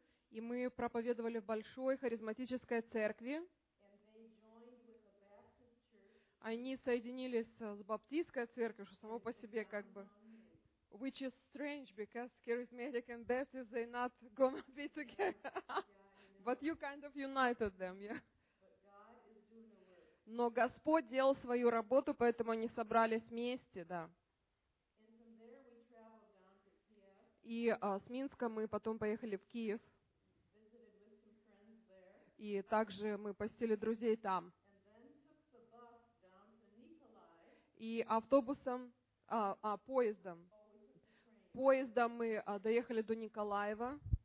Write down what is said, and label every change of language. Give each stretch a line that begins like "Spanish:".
Russian: И мы проповедовали в большой харизматической церкви. Они соединились с баптистской церковью, что само по себе как бы...
English: Which is strange because charismatic and Baptist they not gonna be together. Yeah, but you kind of united them, yeah. But God is doing the work.
Russian: Но Господь делал свою работу, поэтому они собрались вместе, да.
English: And from there we traveled down to Kiev.
Russian: И с Минска мы потом поехали в Киев.
English: Visited with some friends there.
Russian: И также мы посетили друзей там.
English: And then took the bus down to
Russian: Nikolai. И автобусом, поездом. Поездом мы доехали до Николаева.